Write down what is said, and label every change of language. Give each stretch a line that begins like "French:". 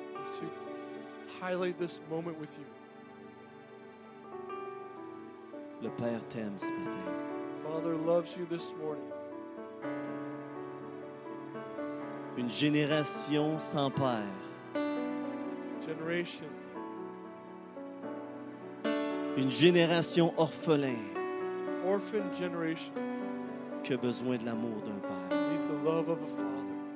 English: To highlight this moment with you.
French: Le Père t'aime ce matin.
English: Father loves you this morning.
French: Une génération sans père.
English: Generation.
French: Une génération orphelin.
English: Orphan generation.
French: Qui a besoin de l'amour d'un père.
English: Needs the love of a father.